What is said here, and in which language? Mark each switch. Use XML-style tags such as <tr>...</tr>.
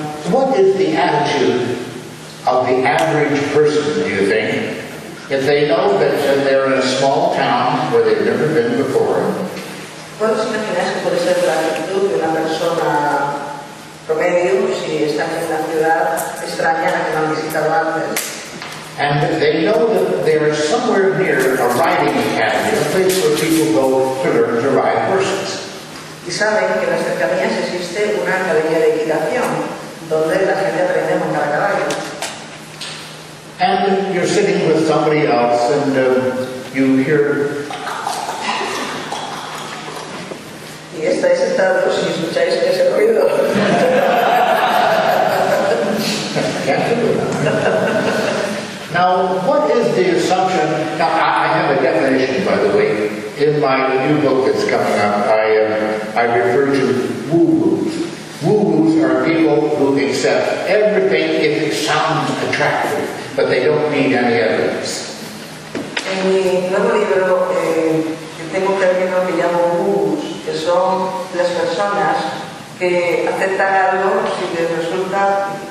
<en>What is the attitude of the average person, do you think, if they know that they're in a small town where they've never been before?</en> <es>¿Puedes imaginar que puede ser la actitud de una persona promedio si está en una ciudad extraña la que no ha visitado antes?</es> <en>And they know that there is somewhere near a riding academy, a place where people go to learn to ride horses.</en> <es>Y saben que en las cercanías existe una academia de equitación, donde la gente aprende a montar a caballo.</es> <en>And you're sitting with somebody else and you hear...</en> <es>Y estáis sentados y escucháis ese ruido.</es> <en>Now, I have a definition, by the way. In my new book that's coming out, I refer to woo-woos. Woo-woos are people who accept everything if it sounds attractive, but they don't need any evidence.</en> <es>En mi nuevo libro, yo tengo un término que llamo woo-woos, que son las personas que aceptan algo si les resulta...</es>